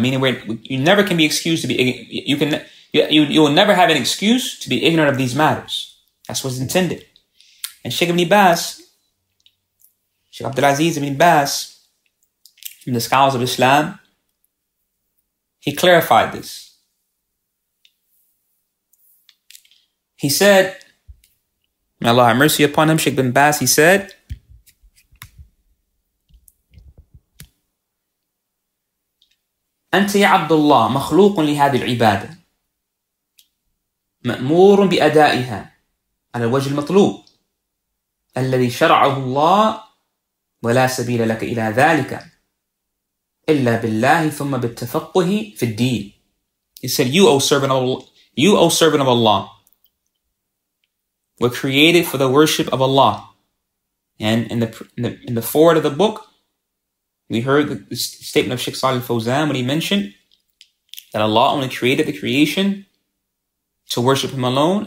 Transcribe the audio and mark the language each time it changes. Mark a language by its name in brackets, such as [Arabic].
[English] Meaning, you never can be excused to be you will never have an excuse to be ignorant of these matters. That's what's intended. And Sheikh Ibn Baz, Sheikh Abdulaziz Ibn Baz, from the scholars of Islam, he clarified this. He said, may Allah have mercy upon him, Sheikh Ibn Baz, he said, [Arabic] أنت يا عبد الله مخلوق لهذه العبادة مأمور بأدائها على الوجه المطلوب الذي شرعه الله ولا سبيل لك إلى ذلك إلا بالله ثم بالتفقه في الدين. [English] He said, you, O servant of Allah, were created for the worship of Allah. And in the foreword of the book, we heard the statement of Sheikh Salih al-Fawzan when he mentioned that Allah only created the creation to worship Him alone.